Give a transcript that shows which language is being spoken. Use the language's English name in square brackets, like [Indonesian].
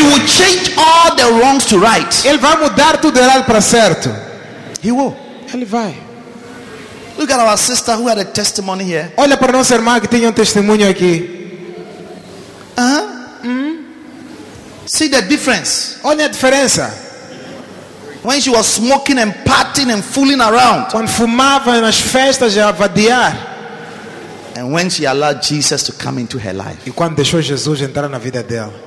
[English] he will change all the wrongs to right. [Portuguese] Ele vai mudar tudo de errado para certo. [English] He will. [Portuguese] Ele vai. [English] Look at our sister who had a testimony here. [Portuguese] Olha para nossa irmã que tinha testemunho aqui. [English] See the difference. [Portuguese] Olha a diferença. [English] When she was smoking and partying and fooling around. [Portuguese] Quando fumava nas festas e a vadiar. [English] And when she allowed Jesus to come into her life. [Portuguese] E quando deixou Jesus entrar na vida dela.